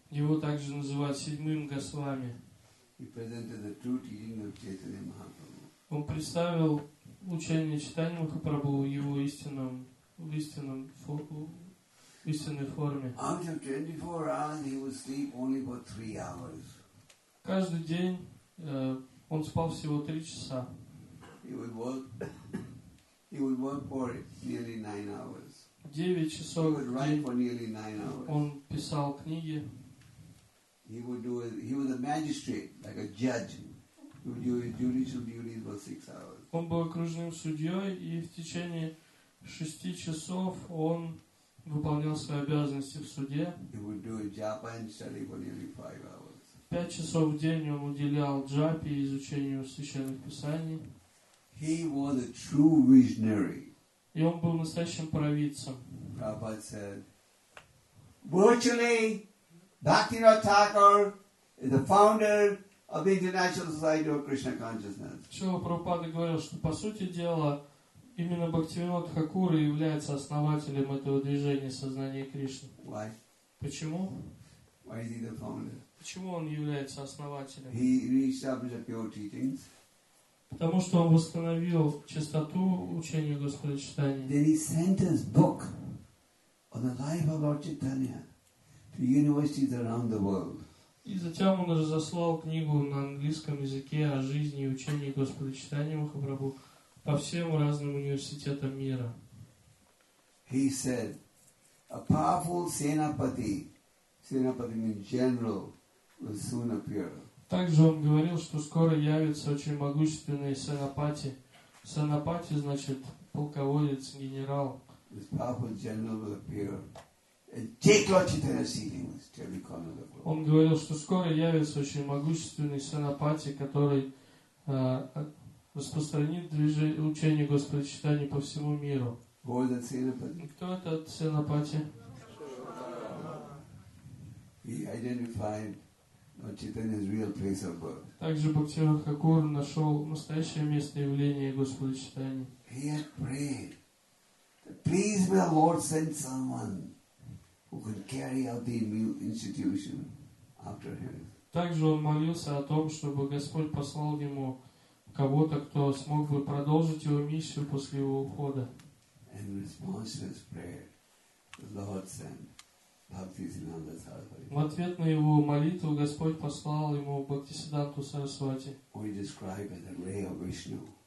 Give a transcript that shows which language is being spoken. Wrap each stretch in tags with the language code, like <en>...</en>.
<ru>Его также называют седьмым Госвами.</ru> <en>He presented the true teaching of Chaitanya Mahaprabhu.</en> <ru>Он представил учение Чайтаньи Махапрабху в его истинной форме.</ru> <en>Out of 24 hours, he would sleep only for 3 hours.</en> <ru>Каждый день он спал всего 3 часа.</ru> <en>He would work for nearly 9 hours.</en> <ru>9 часов.</ru> <en>He would write for nearly 9 hours.</en> <ru>Он писал книги.</ru> <en>He was a magistrate, like a judge. He would do his judicial duties for 6 hours.</en> <ru>Он был окружным судьей, и в течение 6 часов он выполнял свои обязанности в суде.</ru> <en>He would do a japa and study for nearly 5 hours.</en> <ru>5 часов в день он уделял джапе и изучению священных писаний.</ru> <en>He was a true visionary.</en> <ru>И он был настоящим провидцем.</ru> <en>Prabhupada said, virtually, Bhaktivinoda Thakur is the founder of the International Society of Krishna Consciousness.</en> <ru>Шрила Прабхупада говорил, что по сути дела именно Бхактивинода Тхакура является основателем этого движения сознания Кришны.</ru> <en>Why?</en> <ru>Почему?</ru> <en>Why is he the founder?</en> <ru>Почему он является основателем?</ru> <en>He reestablished the pure teachings.</en> <ru>Потому что он восстановил чистоту учения Господа Чайтаньи.</ru> <en>Then he sent his book on the life of Lord Chaitanya. Universities around the world.</en> <ru>И затем он уже заслал книгу на английском языке о жизни и учении Господа Чайтаньи Махапрабху по всем разным университетам мира.</ru> <en>He said, a powerful Senapati, Senapati means general, will soon appear.</en> <ru>Также он говорил, что скоро явится очень могущественный Сенапати. Сенапати значит полководец, генерал.</ru> <en>This powerful general will appear. Take Lord Chaitanya's teachings to every corner of the world.</en> <ru>Он говорил, что скоро явится очень могущественный Сенапати, который распространит движение учения Господа Чайтаньи по всему миру.</ru> <en>Who is that Сенапати?</en> <ru>Кто этот Сенапати?</ru> <en>He identified Lord Chaitanya's real place of birth.</en> <ru>Также Бхактивинода Тхакура нашел настоящее место явления Господа Чайтаньи.</ru> <en>He had prayed, please, my Lord, send someone who could carry out the new institution after him.</en> <ru>Также он молился о том, чтобы Господь послал ему кого-то, кто смог бы продолжить его миссию после его ухода.</ru> <en>And in response to his prayer, the Lord sent Bhaktisiddhanta Saraswati.</en> <ru>В ответ на его молитву Господь послал ему Бхактисиддханту Сарасвати.</ru> <en>Who he described as a ray of Vishnu.</en>